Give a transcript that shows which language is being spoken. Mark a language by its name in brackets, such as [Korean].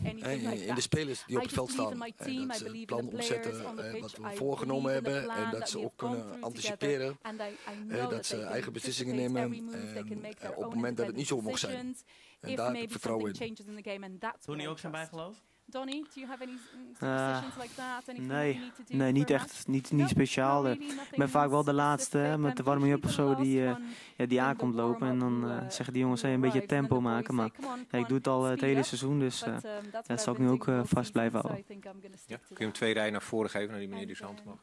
[Dutch] In de spelers die op het veld staan. Dat ze het plan opzetten wat we voorgenomen hebben. En dat ze ook kunnen anticiperen. Dat ze eigen beslissingen nemen. Op het moment dat het niet zo mocht zijn. En daar heb ik vertrouwen in. Doe je ook zijn bijgeloof? [English] Donnie, do you have any superstitions like that? [Dutch] Nee, niet echt. Niet speciaal. Ik ben vaak wel de laatste met de warming up of zo die, die aankomt lopen. En dan zeggen die jongens een beetje tempo maken. Maar ik doe het al het hele seizoen, dus dat zal ik nu ook vast blijven houden. Ja, kun je hem twee rijen naar voren geven, naar die meneer die zijn hand mag?